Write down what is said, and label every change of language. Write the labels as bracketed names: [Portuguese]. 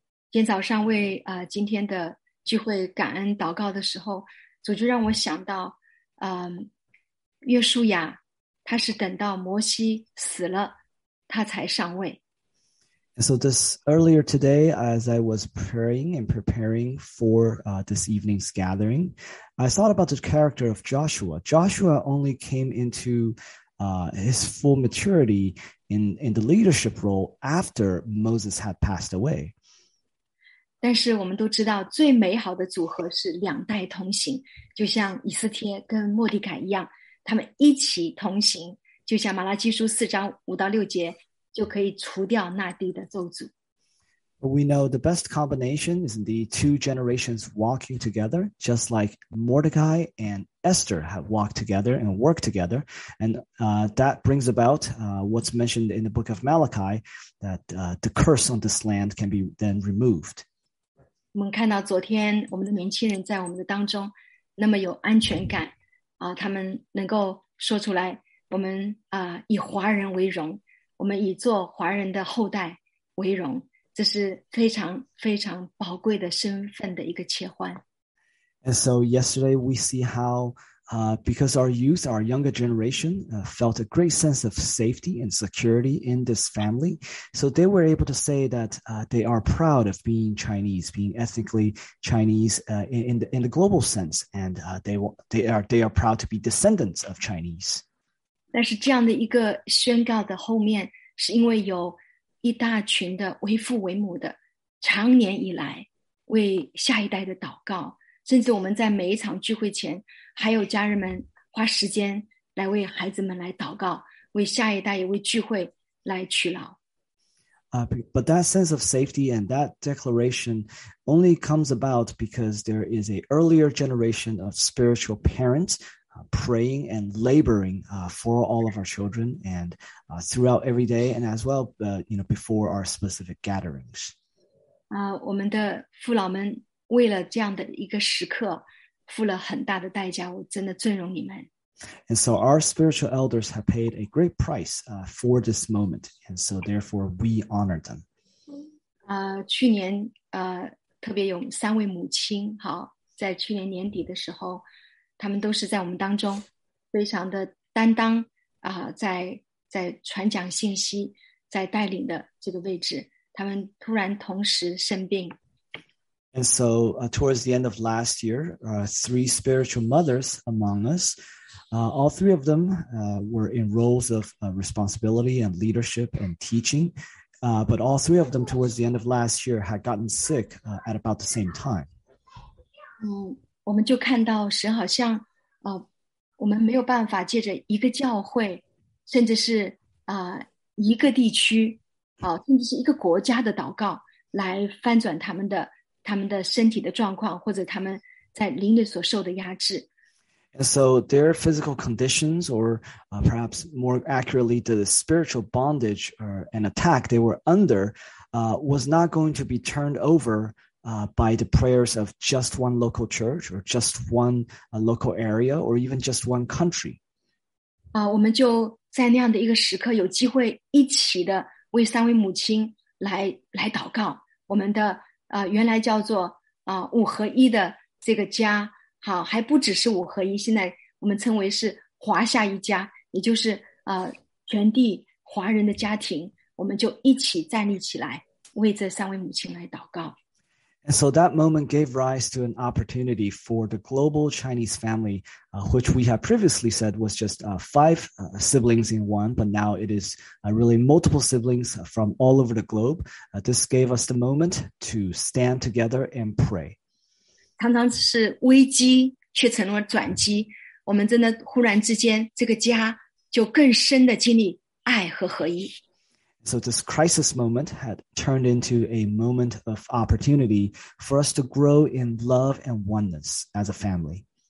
[Chinese] 今早上为今天的聚会感恩祷告的时候，主就让我想到约书亚他是等到摩西死了他才上位。 [English] And so this earlier today, as I was praying and preparing for this evening's gathering, I thought about the character of Joshua. Joshua only came into his full maturity in the leadership role after Moses had passed away. [Chinese] 但是我们都知道最美好的组合是两代同行，就像以斯帖跟莫迪凯一样，他们一起同行，就像马拉基书四章五到六节就可以除掉那地的咒诅。 [English] We know the best combination is the two generations walking together, just like Mordecai and Esther have walked together and worked together, and that brings about what's mentioned in the book of Malachi, that the curse on this land can be then removed. [Chinese] 我们看到昨天我们的年轻人在我们的当中那么有安全感他们能够说出来我们以华人为荣，我们以做华人的后代为荣，这是非常非常宝贵的身份的一个切换。 [English] And so yesterday we see how because our youth, our younger generation felt a great sense of safety and security in this family. So they were able to say that they are proud of being Chinese, being ethnically Chinese in the global sense. And they are proud to be descendants of Chinese. [Chinese] 但是这样的一个宣告的后面是因为有一大群的为父为母的长年以来为下一代的祷告，甚至我们在每一场聚会前还有家人们花时间来为孩子们来祷告，为下一代也为聚会来祈祷。 [English] But that sense of safety and that declaration only comes about because there is an earlier generation of spiritual parents praying and laboring for all of our children and throughout every day and as well before our specific gatherings. [Chinese] 我们的父老们为了这样的一个时刻付了很大的代价，我真的尊荣你们。 [English] And so our spiritual elders have paid a great price for this moment, and so therefore we honor them. [Chinese] 去年特别有三位母亲在去年年底的时候，他们都是在我们当中非常的担当在传讲信息在带领的这个位置，他们突然同时生病。 [English] And so towards the end of last year, three spiritual mothers among us, all three of them were in roles of responsibility and leadership and teaching. But all three of them towards the end of last year had gotten sick at about the same time. [Chinese] 我们就看到神好像我们没有办法借着一个教会，甚至是一个地区，甚至是一个国家的祷告来翻转他们的他们的身体的状况，或者他们在灵里所受的压制。 [English] And so their physical conditions, or perhaps more accurately, the spiritual bondage or an attack they were under, was not going to be turned over by the prayers of just one local church, or just one local area, or even just one country. [Chinese] 我们就在那样的一个时刻，有机会一起的为三位母亲来祷告，我们的原来叫做五合一的这个家，还不只是五合一，现在我们称为是华夏一家，也就是全地华人的家庭，我们就一起站立起来为这三位母亲来祷告。 [English] And so that moment gave rise to an opportunity for the global Chinese family, which we have previously said was just five siblings in one, but now it is really multiple siblings from all over the globe. This gave us the moment to stand together and pray. [Chinese] 常常是危机却成了转机，我们真的忽然之间这个家就更深的经历爱和合一。 [English] So this crisis moment had turned into a moment of opportunity for us to grow in love and oneness as a family.